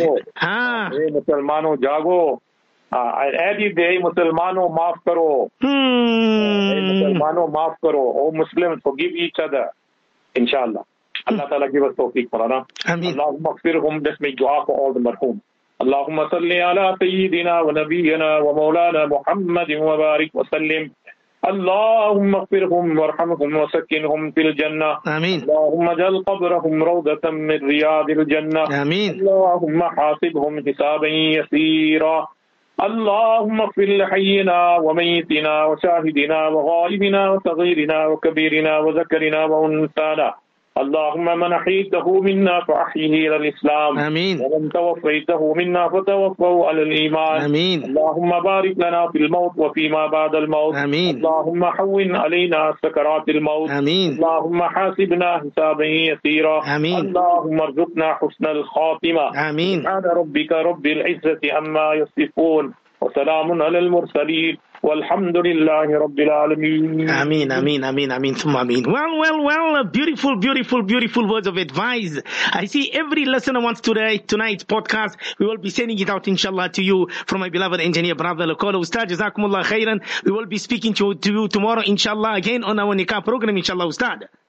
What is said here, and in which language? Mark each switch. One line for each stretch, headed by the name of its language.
Urdu: Eh, Musalmano Jago.
English: I added the
Urdu: Musalmano Maaf Karo. Musalmano Maaf Karo.
English: Oh, Muslims, forgive each other. Inshallah. Allah Ta'ala give us tawfiq, Mulana.
Arabic: Allahumma akfirhum.
English: Let's make dua for all the marhum.
Arabic: اللهم صل على سيدنا ونبينا ومولانا محمد وبارك وسلم اللهم اغفرهم وارحمهم وسكنهم في الجنة آمين اللهم اجعل قبرهم روضة من رياض الجنة آمين اللهم حاسبهم حسابا يسيرا اللهم اغفر لحينا وميتنا وشاهدنا وغائبنا وصغيرنا وكبيرنا وذكرنا وأنثانا اللهم من أحييته منا فأحيه إلى الإسلام أمين ومن توفيته منا فتوفه على الإيمان أمين اللهم بارك لنا في الموت وفيما بعد الموت أمين اللهم حون علينا سكرات الموت أمين اللهم حاسبنا حسابا يسيرا أمين اللهم ارزقنا حسن الخاتمة أمين سبحان ربك رب العزة عما يصفون وسلام على المرسلين والحمد لله رب العالمين آمين آمين آمين آمين ثم آمين.
English: Well, beautiful words of advice. I see every listener wants today, tonight's podcast. We will be sending it out inshallah to you from my beloved engineer brother Lokolo Ustaz. Jazakumullah khairan. We will be speaking to you tomorrow inshallah again on our Nikah program inshallah Ustaz.